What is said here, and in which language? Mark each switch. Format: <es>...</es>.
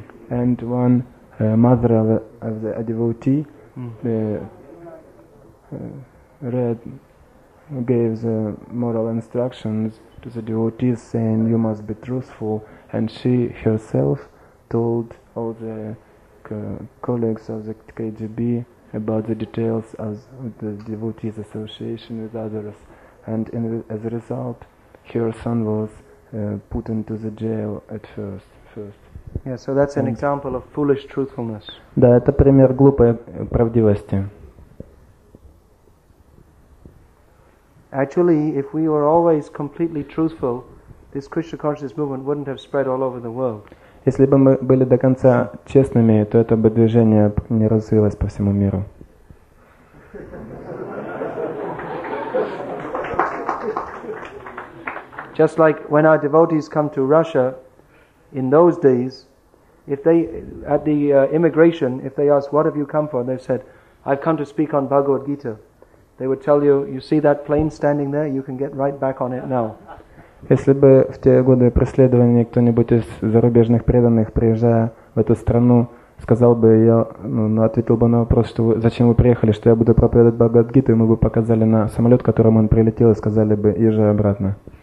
<en>And one mother of a devotee gave the moral instructions to the devotees, saying, "You must be truthful," and she herself told all the colleagues of the KGB about the details of the devotees' association with others. And as a result, her son was put into the jail at first. Yeah, so that's an example of foolish truthfulness.</en> <ru>Да, это пример глупой правдивости.</ru> <en>Actually, if we were always completely truthful, this Krishna consciousness movement wouldn't have spread all over the world.</en> <ru>Если бы мы были до конца честными, то это бы движение не развилось по всему миру.</ru> <en>Just like when our devotees come to Russia in those days, if they at the immigration, if they ask, "What have you come for?" they said, "I've come to speak on Bhagavad Gita." They would tell you, "You see that plane standing there? You can get right back on it now."</en> <ru>Если бы в те годы преследования кто-нибудь из зарубежных преданных, приезжая в эту страну, сказал бы, ответил бы на вопрос, что зачем вы приехали, что я буду проповедовать Бхагавад Гиту, и мы бы показали на самолет, которым он прилетел, и сказали бы, езжай обратно.</ru>